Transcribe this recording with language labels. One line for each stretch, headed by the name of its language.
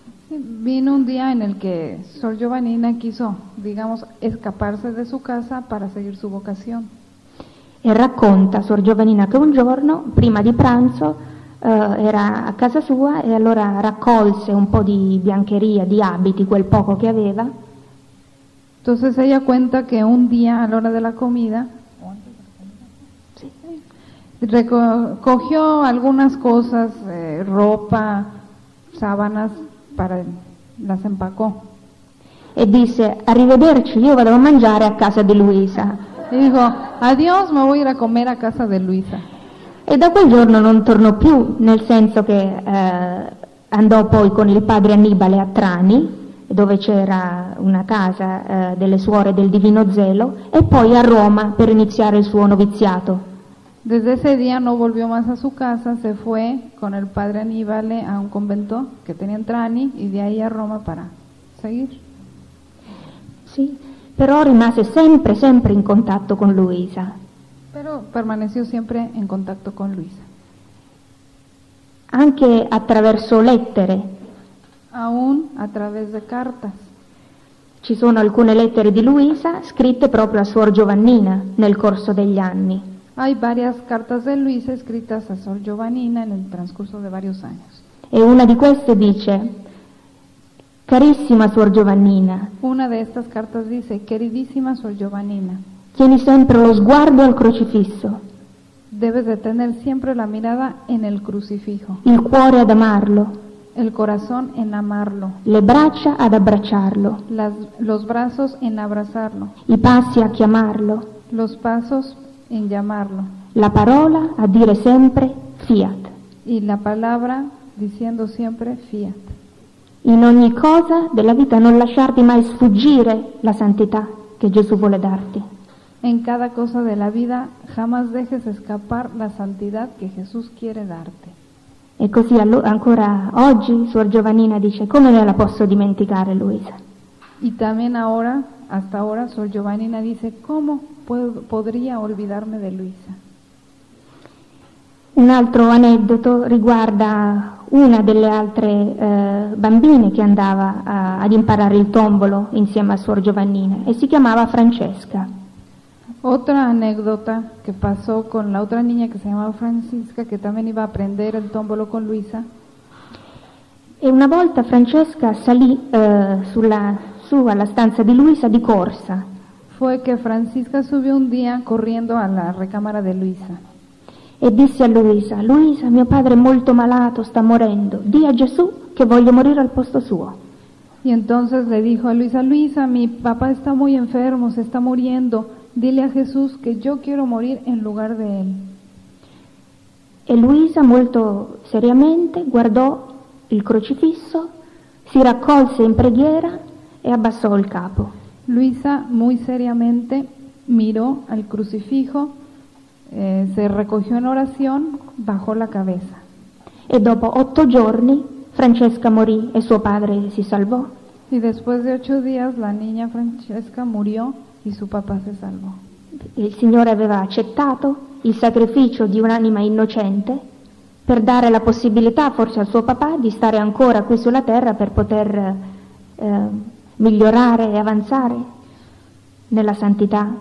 Spanish: Vino un día en el que Suor Giovannina quiso, digamos, escaparse de su casa para seguir su vocación.
Italian: E racconta Suor Giovannina che un giorno, prima di pranzo, era a casa sua e allora raccolse un po' di biancheria, di abiti, quel poco che aveva.
Spanish: Entonces ella cuenta que un día a la hora de la comida recogió algunas cosas, ropa, sábanas, para las empacó.
Italian: E disse: arrivederci, io vado a mangiare a casa di Luisa.
Spanish: E dijo: adiós, me voy a ir a comer a casa de Luisa.
Italian: E da quel giorno non tornò più, nel senso che andò poi con il padre Annibale a Trani, dove c'era una casa delle suore del Divino Zelo, e poi a Roma per iniziare il suo noviziato.
Spanish: Desde ese día no volvió más a su casa, se fue con el padre Annibale a un convento que tenía en Trani y de ahí a Roma para seguir. Sí, pero rimase siempre, siempre en contacto con Luisa. Pero permaneció siempre en contacto con Luisa.
Italian: Anche attraverso lettere.
Spanish: Aún a través de cartas.
Italian: Ci sono alcune lettere di Luisa scritte proprio a Suor Giovannina nel corso degli anni.
Spanish: Hay varias cartas de Luisa escritas a Suor Giovannina en el transcurso de varios años.
Italian: E una di queste dice: carissima Suor Giovannina.
Spanish: Una de estas cartas dice: queridísima Suor Giovannina.
Italian: Tieni sempre lo sguardo al crocifisso.
Spanish: Debes de tener siempre la mirada en el crucifijo.
Italian: Il cuore ad amarlo.
Spanish: El corazón en amarlo.
Italian: Le braccia ad abbracciarlo.
Spanish: Los brazos en abrazarlo.
Italian: I passi a chiamarlo.
Spanish: Los pasos en llamarlo.
Italian: La parola a dire sempre fiat.
Spanish: Y la palabra diciendo siempre fiat.
Italian: In ogni cosa della vita non lasciarti mai sfuggire la santità che Gesù vuole darti.
Spanish: En cada cosa de la vida jamás dejes escapar la santidad que Jesús quiere darte.
Italian: E così ancora oggi Suor Giovannina dice: come me la posso dimenticare Luisa?
Spanish: Y también ahora, hasta ahora, Suor Giovannina dice: ¿cómo podría olvidarme de Luisa?
Italian: Un altro aneddoto riguarda una delle altre bambine che andava ad imparare il tombolo insieme a Suor Giovannina, e si chiamava Francesca.
Spanish: Otra anécdota que pasó con la otra niña que se llamaba Francisca, que también iba a aprender el tómbolo con Luisa.
Italian: E una volta Francesca salì sulla stanza di Luisa di corsa.
Spanish: Fue que Francisca subió un día corriendo a la recámara de Luisa.
Italian: E disse a Luisa: Luisa, mio padre è molto malato, sta morendo. Di a Gesù che voglio morire al posto suo.
Spanish: Y entonces le dijo a Luisa: Luisa, mi papà está muy enfermo, se está muriendo. Dile a Jesús que yo quiero morir en lugar de él.
Italian: E Luisa molto seriamente guardò il crocifisso, si raccolse in preghiera e abbassò il capo.
Spanish: Luisa muy seriamente miró al crucifijo, se recogió en oración, bajó la cabeza.
Italian: E dopo 8 giorni Francesca morì e suo padre si salvò.
Spanish: Y después de 8 días la niña Francesca murió. Y su papá se salvó.
Italian: Il Signore aveva accettato il sacrificio di un'anima innocente per dare la possibilità forse al suo papà di stare ancora qui sulla terra per poter migliorare e avanzare nella santità.